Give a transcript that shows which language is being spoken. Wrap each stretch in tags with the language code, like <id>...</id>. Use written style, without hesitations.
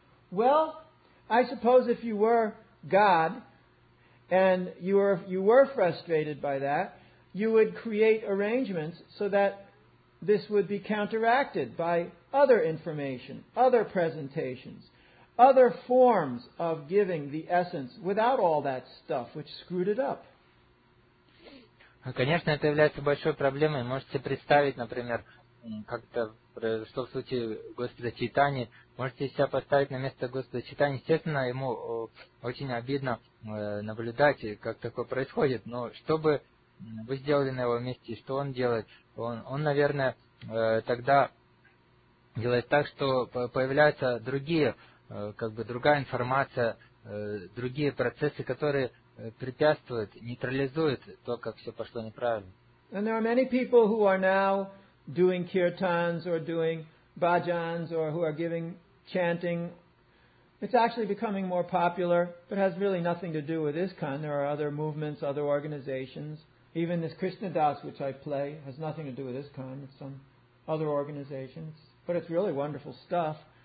<en>Well, I suppose if you were God and you were frustrated by that, you would create arrangements so that this would be counteracted by other information, other presentations, other forms of giving the essence without all that stuff which screwed it up.</en> <ru>Конечно, это является большой проблемой. Можете представить, например, как это произошло в случае Господа Чайтани. Можете себя поставить на место Господа Чайтани. Естественно, ему очень обидно наблюдать, как такое происходит. Но что бы вы сделали на его месте, что он делает? Он наверное, тогда делает так, что появляются другие, как бы другая информация, другие процессы, которые препятствует, нейтрализует то, как все пошло неправильно.</ru> <en>And there are many people who are now doing kirtans or doing bhajans or who are giving chanting. It's actually becoming more popular, but has really nothing to do with ISKCON. There are other movements, other organizations. Even this Krishna Das, which I play, has nothing to do with ISKCON. It's some other organizations. But it's really wonderful stuff.</en>